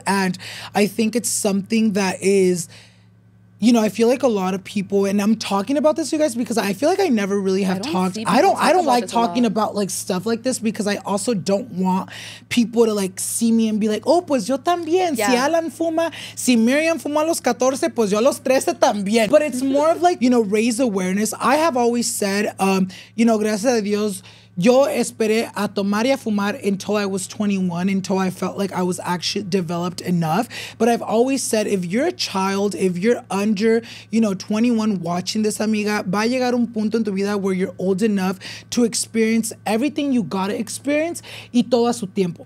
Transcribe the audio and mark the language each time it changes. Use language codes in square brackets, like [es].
[en] And I think it's something that is, you know, I feel like a lot of people, and I'm talking about this, you guys, because I feel like I never really have talked. I don't like talking about like stuff like this, because I also don't want people to like see me and be like, oh, [es] pues yo también. Yeah. Si Alan fuma, si Miriam fuma a los 14, pues yo a los 13 también. [en] But it's more of like, you know, raise awareness. I have always said, you know, [es] gracias a Dios, yo esperé a tomar y a fumar [en] until I was 21, until I felt like I was actually developed enough. But I've always said, if you're a child, if you're under, you know, 21 watching this, amiga, [es] va a llegar un punto en tu vida [en] where you're old enough to experience everything you gotta experience [es] y todo a su tiempo.